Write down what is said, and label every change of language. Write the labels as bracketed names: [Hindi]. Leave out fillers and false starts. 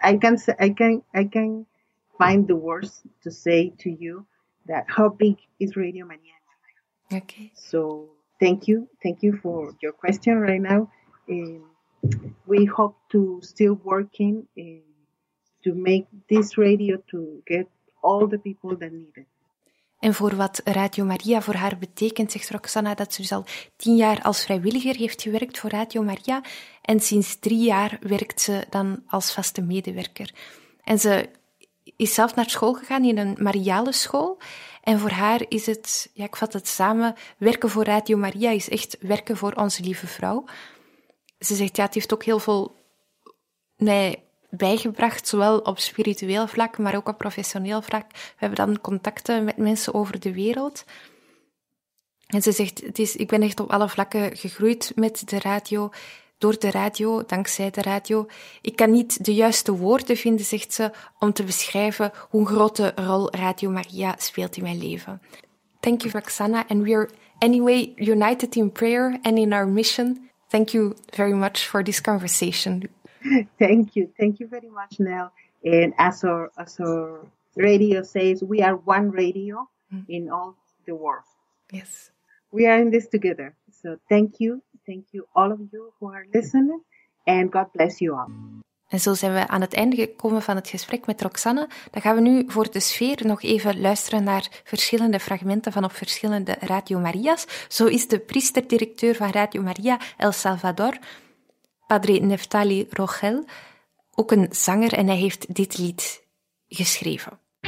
[English] I can find the words to say to you that how big is Radio Maria in my life. Okay. So Thank you for your question right now. We hope to still working to make this radio to get all the people that need it. [Dutch] En voor wat Radio Maria voor haar betekent, zegt Roxana dat ze dus al 10 jaar als vrijwilliger heeft gewerkt voor Radio Maria. En sinds 3 jaar werkt ze dan als vaste medewerker. En ze is zelf naar school gegaan in een Mariale school. En voor haar is het, ja, ik vat het samen, werken voor Radio Maria is echt werken voor Onze Lieve Vrouw. Ze zegt, ja, het heeft ook heel veel mij bijgebracht, zowel op spiritueel vlak, maar ook op professioneel vlak. We hebben dan contacten met mensen over de wereld. En ze zegt, ik ben echt op alle vlakken gegroeid met de radio, door de radio, dankzij de radio. Ik kan niet de juiste woorden vinden, zegt ze, om te beschrijven hoe een grote rol Radio Maria speelt in mijn leven. [English] Thank you, Roxana, and we are anyway united in prayer and in our mission. Thank you very much for this conversation. Thank you very much, Nell. And as our radio says, we are one radio in all the world. Yes. We are in this together. So thank you. Thank you all of you who are listening. And God bless you all. [Dutch] En zo zijn we aan het einde gekomen van het gesprek met Roxana. Dan gaan we nu voor de sfeer nog even luisteren naar verschillende fragmenten van op verschillende Radio Maria's. Zo is de priesterdirecteur van Radio Maria El Salvador, Padre Neftali Rogel, ook een zanger en hij heeft dit lied geschreven.